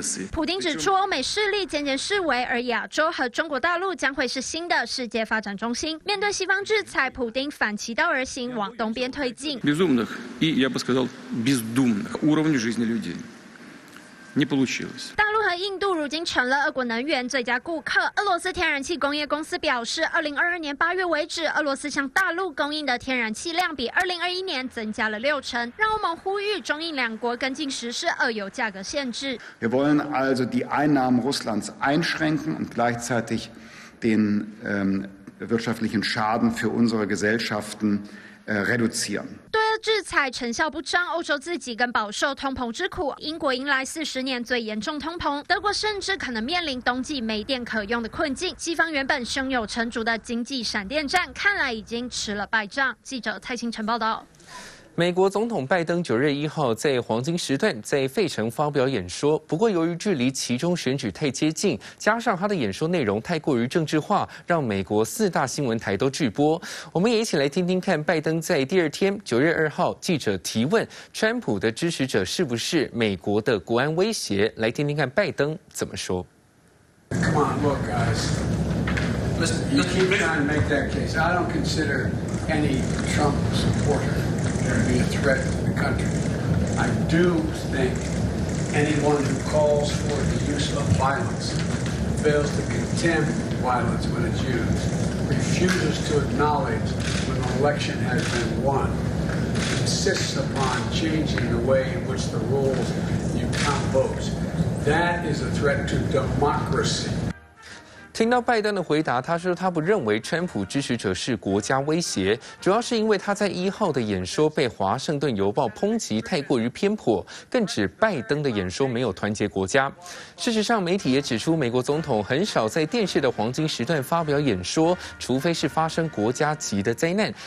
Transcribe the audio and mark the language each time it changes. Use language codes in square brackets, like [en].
[zh] 普丁指出，欧美势力渐渐式微，而亚洲和中国大陆将会是新的世界发展中心。面对西方制裁，普丁反其道而行，往东边推进。 [ru] безумных и я бы сказал бездумных уровней жизни людей не получилось。 [zh] 大陆和印度如今成了俄国能源最佳顾客。俄罗斯天然气工业公司表示，2022年8月为止，俄罗斯向大陆供应的天然气量比2021年增加了60%，让欧盟呼吁中印两国跟进实施俄油价格限制。 [de] Wir wollen also die Einnahmen Russlands einschränken und gleichzeitig den wirtschaftlichen Schaden für unsere Gesellschaften reduzieren. [zh] 制裁成效不彰，欧洲自己更饱受通膨之苦，英国迎来40年最严重通膨，德国甚至可能面临冬季没电可用的困境。西方原本胸有成竹的经济闪电战，看来已经吃了败仗。记者蔡清晨报道。美国总统拜登9月1号在黄金时段在费城发表演说，不过由于距离其中选举太接近，加上他的演说内容太过于政治化，让美国四大新闻台都拒播。我们也一起来听听看拜登在第二天9月2号记者提问川普的支持者是不是美国的国安威胁，来听听看拜登怎么说。 [en] Come on, look guys. Listen, you keep trying to make that case. I don't consider any Trump supporter. Be a threat to the country. I do think anyone who calls for the use of violence, fails to condemn violence when it's used, refuses to acknowledge when an election has been won, insists upon changing the way in which the rules you count votes, that is a threat to democracy. [zh] 听到拜登的回答，他说他不认为川普支持者是国家威胁，主要是因为他在一号的演说被华盛顿邮报抨击太过于偏颇，更指拜登的演说没有团结国家。事实上，媒体也指出美国总统很少在电视的黄金时段发表演说，除非是发生国家级的灾难。